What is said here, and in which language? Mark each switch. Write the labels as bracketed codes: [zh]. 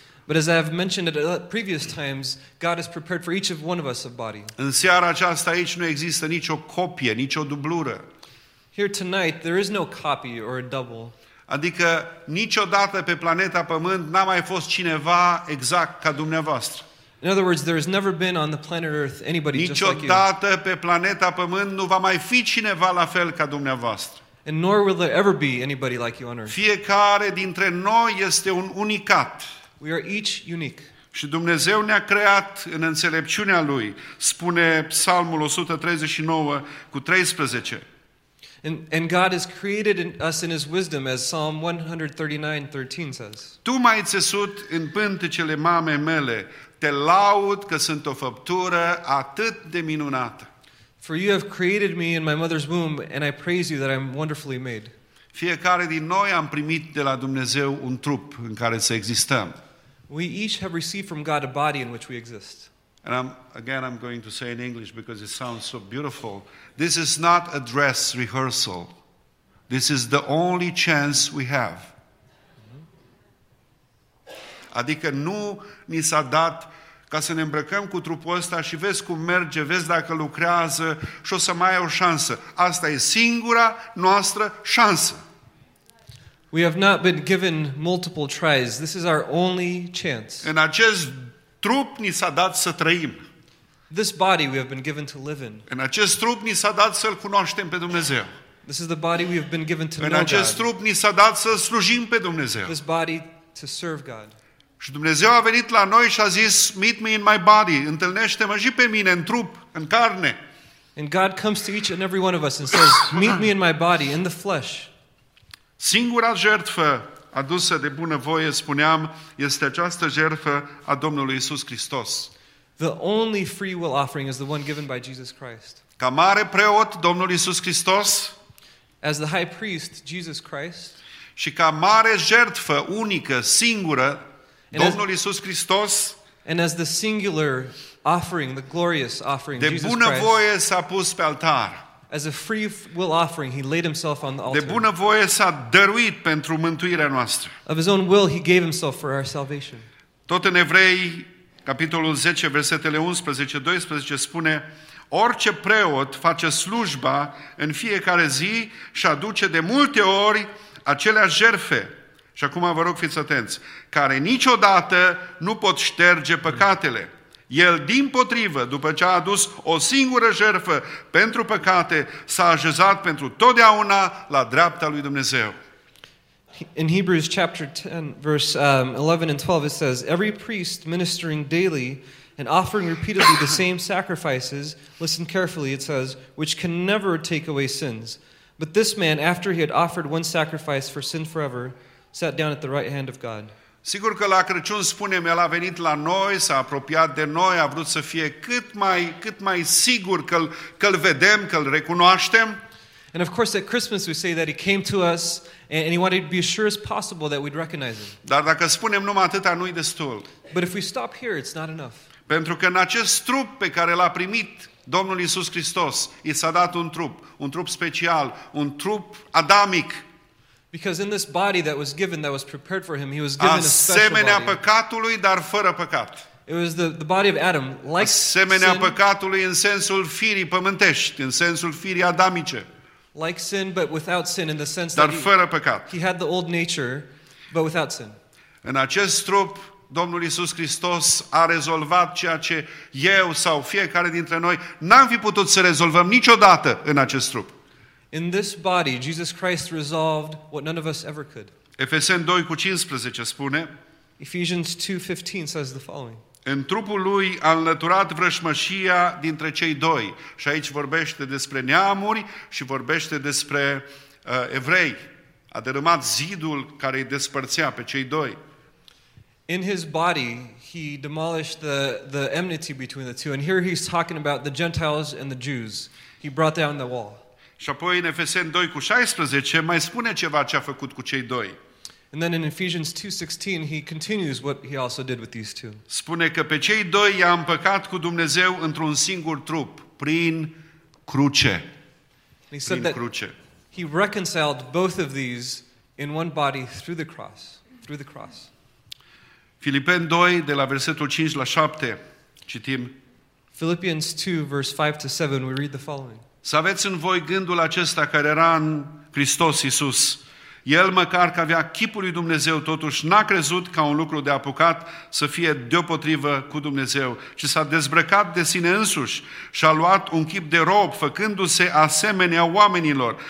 [en] But as I've mentioned at previous times, God has prepared for each of one of us a body. [ro] În seara aceasta aici nu există nicio copie, nicio dublură. [en] Here tonight there is no copy or a double. [ro] Adică niciodată pe planeta Pământ n-a mai fost cineva exact ca dumneavoastră. [en] In other words, there has never been on the planet Earth anybody just like you. [ro] Niciodată pe planeta Pământ nu va mai fi cineva la fel ca dumneavoastră. [en] And nor will there ever be anybody like you on Earth. [ro] Fiecare dintre noi este un unicat. [en] We are each unique. [ro] Și Dumnezeu ne-a creat în înțelepciunea Lui, spune Psalmul 139:13. [en] And God has created us in His wisdom, as Psalm 139:13 says. [ro] Tu m-ai țesut în pântecele mamei mele, te laud că sunt o făptură atât de minunată. [en] For you have created me in my mother's womb, and I praise you that I am wonderfully made. [ro] Fiecare din noi am primit de la Dumnezeu un trup în care să existăm. [en] We each have received from God a body in which we exist. And I'm going to say in English because it sounds so beautiful. This is not a dress rehearsal. This is the only chance we have. [ro] Adică nu ni s-a dat ca să ne îmbrăcăm cu trupul ăsta și vezi cum merge, vezi dacă lucrează și o să mai ai o șansă. Asta e singura noastră șansă. [en] We have not been given multiple tries. This is our only chance. [ro] În acest trup ni s-a dat să trăim. [en] This body we have been given to live in. [ro] În acest trup ni s-a dat să-L cunoaștem pe Dumnezeu. [en] This is the body we have been given to know God. [ro] În acest trup ni s-a dat să slujim pe Dumnezeu. [en] This body to serve God. [ro] Și Dumnezeu a venit la noi și a zis, [en] meet me in my body, [ro] întâlnește-mă și pe mine, în trup, în carne. [en] And God comes to each and every one of us and says, meet me in my body, in the flesh. [ro] Singura jertfă adusă de bună voie, spuneam, este această jertfă a Domnului Iisus Hristos. [en] The only free will offering is the one given by Jesus Christ. [ro] Ca mare preot, Domnul Iisus Hristos. [en] As the high priest, Jesus Christ. [ro] Și ca mare jertfă unică, singură, Domnul Iisus Hristos. [en] And as the singular offering, the glorious offering, [ro] Jesus Christ. De bună voie s-a pus pe altar. [en] As a free will offering, he laid himself on the altar. [ro] De bună voie s-a dăruit pentru mântuirea noastră. [en] Of his own will, he gave himself for our salvation. [ro] Tot în Evrei, capitolul 10, versetele 11-12, spune, orice preot face slujba în fiecare zi și aduce de multe ori aceleași jertfe. Și acum vă rog fiți atenți, care niciodată nu pot șterge păcatele. El, dimpotrivă, după ce a adus o singură jertfă pentru păcate, s-a așezat pentru totdeauna la dreapta lui Dumnezeu. [en] In Hebrews chapter 10, verse 11 and 12, it says, every priest ministering daily and offering repeatedly the same sacrifices, listen carefully, it says, which can never take away sins. But this man, after he had offered one sacrifice for sin forever, sat down at the right hand of God. [ro] Sigur că la Crăciun spunem, el a venit la noi, s-a apropiat de noi, a vrut să fie cât mai sigur că-l vedem, că-l recunoaștem. [en] And of course at Christmas we say that he came to us and he wanted to be as sure as possible that we'd recognize him. [ro] Dar dacă spunem numai atâta, nu-i destul. [en] But if we stop here, it's not enough. [ro] Pentru că în acest trup pe care l-a primit Domnul Iisus Hristos, i s-a dat un trup, un trup special, un trup adamic. [en] Because in this body that was given, that was prepared for him, he was given a special body. [ro] Asemenea păcatului, dar fără păcat. [en] It was the body of Adam, like sin. [ro] Asemenea păcatului în sensul firii pământești, în sensul firii adamice. [en] Like sin, but without sin, in the sense [ro] dar fără păcat. [en] He had the old nature, but without sin. [ro] În acest trup, Domnul Iisus Hristos a rezolvat ceea ce eu sau fiecare dintre noi n-am fi putut să rezolvăm niciodată în acest trup. [en] In this body, Jesus Christ resolved what none of us ever could. [ro] Efeseni 2:15 spune. [en] Ephesians 2:15 says the following. [ro] În trupul lui a înlăturat vrășmășia dintre cei doi. Și aici vorbește despre neamuri și vorbește despre evrei. A dărâmat zidul care îi despărțea pe cei doi. [en] In his body, he demolished the enmity between the two. And here he's talking about the Gentiles and the Jews. He brought down the wall. [ro] Și apoi în Efeseni 2:16 mai spune ceva ce a făcut cu cei doi. [en] And then in Ephesians 2:16 he continues what he also did with these two. [ro] Spune că pe cei doi i-a împăcat cu Dumnezeu într-un singur trup, prin cruce. [en] He said [ro] prin cruce. [en] He reconciled both of these in one body through the cross, through the cross. [ro] Filipeni 2 de la versetul 5 la 7 citim. [en] Philippians 2 verse 5 to 7 we read the following. [ro] Să aveți în voi gândul acesta care era în Hristos Iisus. El, măcar că avea chipul lui Dumnezeu, totuși n-a crezut ca un lucru de apucat să fie deopotrivă cu Dumnezeu, ci s-a dezbrăcat de sine însuși și a luat un chip de rob, făcându-se asemenea oamenilor.